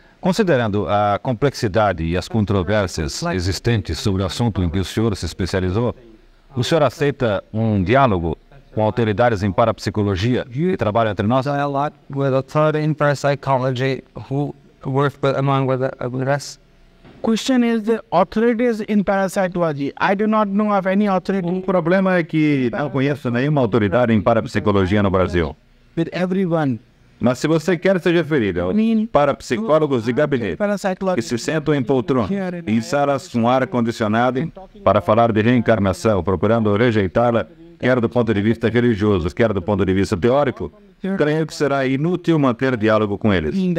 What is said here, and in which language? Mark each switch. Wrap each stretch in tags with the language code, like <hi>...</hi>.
<pt>Considerando a complexidade e as controvérsias existentes sobre o assunto em que o senhor se especializou, o senhor aceita um diálogo com autoridades em parapsicologia que trabalham entre nós?</pt> <en>I work with authority in parapsychology who work among us. Question is the authorities in parapsychology. I do not know of any authority.</en> <pt>O problema é que não conheço nenhuma autoridade em parapsicologia no Brasil.</pt> <en>With everyone.</en> <pt>Mas se você quer se referir a parapsicólogos de gabinete que se sentam em poltronas, em salas com ar-condicionado para falar de reencarnação, procurando rejeitá-la, quer do ponto de vista religioso, quer do ponto de vista teórico, creio que será inútil manter diálogo com eles.</pt>